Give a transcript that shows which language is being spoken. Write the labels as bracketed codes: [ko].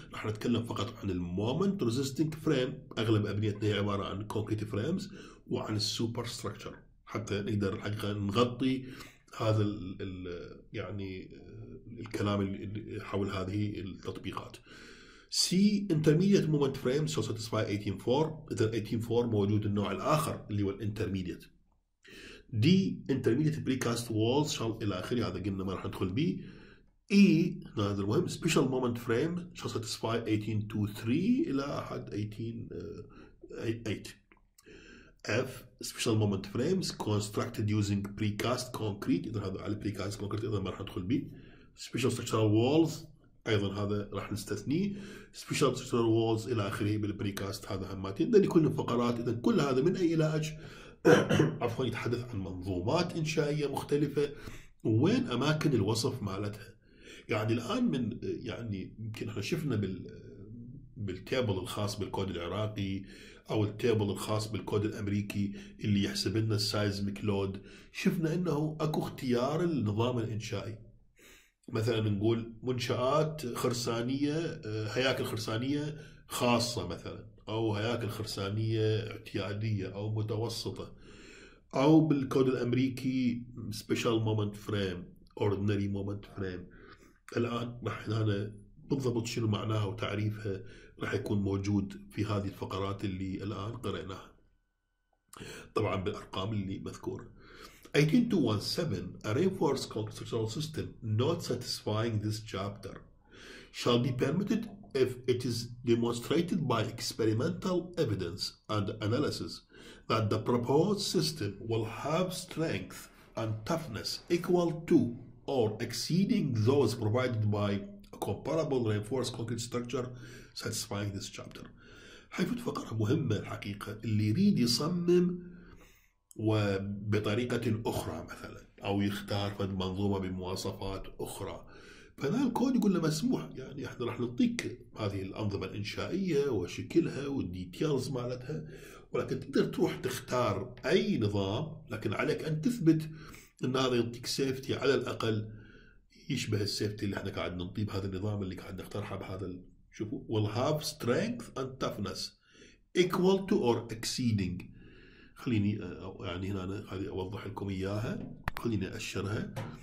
[ar] راح نتكلم فقط عن المومنت ريزيستنج فريم. اغلب ابنيتنا هي عباره عن كونكريت فريمز وعن السوبر ستراكشر حتى نقدر الحقيقه نغطي هذا الـ يعني الكلام حول هذه التطبيقات. سي انترميديت مومنت فريم شو ساتيسفاي 18.4. اذا 18.4 موجود النوع الاخر اللي هو الانترميديت. [en] D intermediate precast walls shall [ar] إلى آخره، هذا قلنا ما راح ندخل به. [en] E [ar] هذا المهم [en] special moment frame shall satisfy 18.2.3 [ar] إلى أحد [en] 18.8. F special moment frames constructed using precast concrete، [ar] إذا هذا على [en] precast concrete [ar] إذا ما راح ندخل به. [en] Special structural walls [ar] ايضا هذا راح نستثنيه. سبيشال سكتور وولز الى اخره بالبريكاست، هذا هماتي. اذا يكون فقرات، اذا كل هذا من اي لاج؟ عفوا، يتحدث عن منظومات انشائيه مختلفه وين اماكن الوصف مالتها. يعني الان من يعني يمكن احنا شفنا بالتيبل الخاص بالكود العراقي او التيبل الخاص بالكود الامريكي اللي يحسب لنا السايزميك لود، شفنا انه اكو اختيار النظام الانشائي. مثلا نقول منشآت خرسانية، هياكل خرسانية خاصة مثلا، او هياكل خرسانية اعتيادية او متوسطة، او بالكود الامريكي سبيشال مومنت فريم، اوردينري مومنت فريم. الان احنا بالضبط شنو معناها وتعريفها راح يكون موجود في هذه الفقرات اللي الان قرأناها، طبعا بالارقام اللي مذكور. [en] 18217 array for structural system not satisfying this chapter shall be permitted if it is demonstrated by experimental evidence and analysis that the proposed system will have strength and toughness equal to or exceeding those provided by a comparable reinforced concrete structure satisfying this chapter. [ar] حيفوت فقرة مهمة الحقيقة، اللي يريد يصمم وبطريقة أخرى مثلا، أو يختار فد منظومة بمواصفات أخرى، فهذا الكود يقول له مسموح. يعني احنا راح نعطيك هذه الأنظمة الإنشائية وشكلها والديتيلز مالتها، ولكن تقدر تروح تختار أي نظام، لكن عليك أن تثبت ان هذا يعطيك سيفتي على الاقل يشبه السيفتي اللي احنا قاعد نطيب هذا النظام اللي قاعد نقترحه بهذا. [en] شوفوا will have strength and toughness equal to or exceeding. [ar] خليني يعني هنا انا هذه اوضح لكم اياها، خليني اشرها.